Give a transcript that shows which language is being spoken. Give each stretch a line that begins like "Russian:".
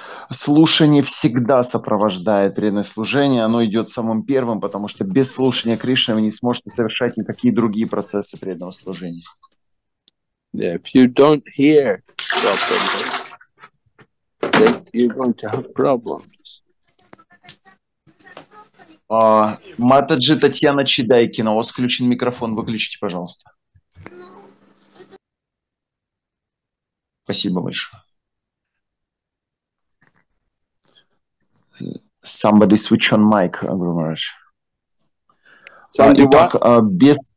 Russian: Слушание всегда сопровождает преданное служение. Оно идет самым первым, потому что без слушания Кришны вы не сможете совершать никакие другие процессы преданного служения.
English: Yeah, if you don't hear properly, then you're going to have problems.
Russian: Матаджи Татьяна Чидайкина, у вас включен микрофон, выключите, пожалуйста. Спасибо большое.
English: Somebody switch on mic, Guru Maharaj.
Russian: Итак, без...